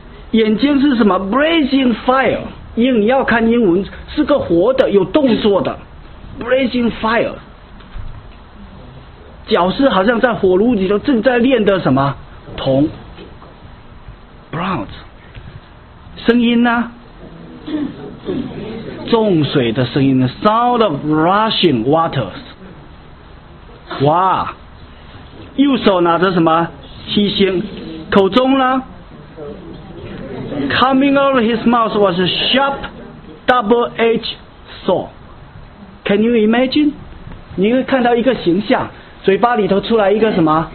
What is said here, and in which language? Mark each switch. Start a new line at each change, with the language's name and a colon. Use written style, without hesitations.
Chinese: 眼睛是什么 blazing fire， 因为你要看英文是个活的有动作的 blazing fire。脚是好像在火炉里头正在炼的什么铜 bronze。声音呢？重水的声音
English: sound of rushing waters。
Chinese: 哇，右手拿着什么七星，口中呢
English: coming out of his mouth was a sharp double-edged sword。 Can you imagine？
Chinese: 你会看到一个形象，嘴巴里头出来一个什么